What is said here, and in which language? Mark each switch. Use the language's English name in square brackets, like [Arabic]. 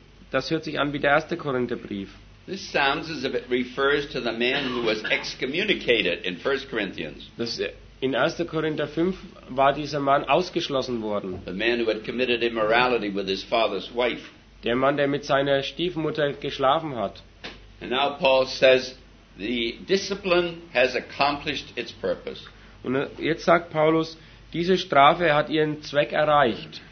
[German] Das hört sich an wie der erste Korintherbrief. [English] This sounds as if it refers to the man who was excommunicated in 1 Corinthians. [German] In 1. Korinther 5 war dieser Mann ausgeschlossen worden. [English] The man who had committed immorality with his father's wife. [German] Der Mann, der mit seiner Stiefmutter geschlafen hat. [English] And now Paul says, the discipline has accomplished its purpose. [German] Und jetzt sagt Paulus, diese Strafe hat ihren Zweck erreicht.